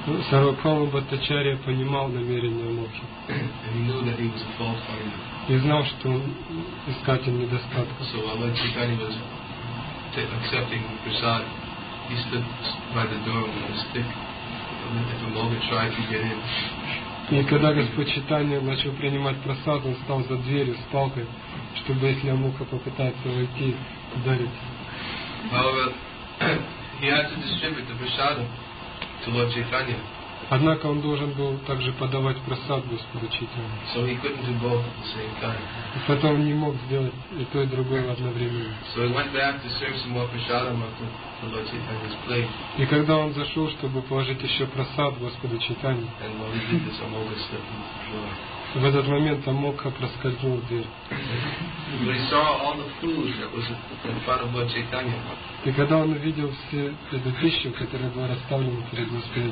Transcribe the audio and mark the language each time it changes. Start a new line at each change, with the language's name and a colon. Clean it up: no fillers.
Russian: Сарвабхава Бхаттачарья понимал намерения Амохи. И знал, что он искатель недостатка.
English: So, while Chaitanya was accepting the prasad, he stood by the door with a stick. If a moga tried to get in.
Russian: И когда Господь Чайтанья начал принимать прасад, он стал за дверью с палкой, чтобы если амуха попытается войти, ударить.
English: However, he had to distribute the prasad to Lord Chaitanya.
Russian: Однако он должен был также подавать просад Господу Чайтанье.
English: So he couldn't do both at the same time.
Russian: И потом не мог сделать и то, и другое одновременно.
English: So he went back to serve some more prasadam after Lord Chaitanya's plate.
Russian: И когда он зашел, чтобы положить еще просад Господу Чайтанье,
English: and while he did this, Амока stepped in the door.
Russian: В этот момент Амока проскользнул в дверь.
English: But he saw all the food that was in front of Lord Chaitanya.
Russian: И когда он увидел все эту пищу, которая была расставлена перед Господом